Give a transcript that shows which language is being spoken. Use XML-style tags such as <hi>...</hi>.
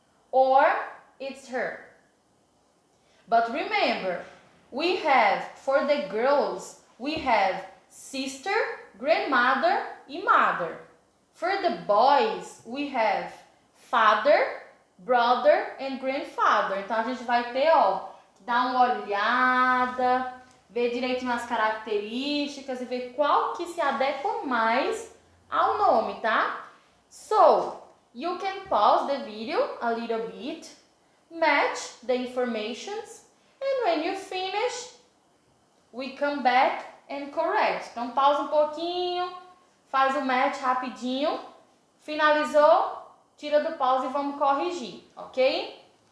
<en>Or it's her. But remember, we have, for the girls, we have sister, grandmother and mother. For the boys, we have father, brother and grandfather.</en> <pt>Então a gente vai ter, ó, dar uma olhada, ver direito nas características e ver qual que se adequa mais ao nome, tá?</pt> <en>So, you can pause the video a little bit, match the informations, and when you finish, we come back and correct.</en> <pt>Então, pausa um pouquinho, faz o match rapidinho, finalizou, tira do pause e vamos corrigir, ok?</pt>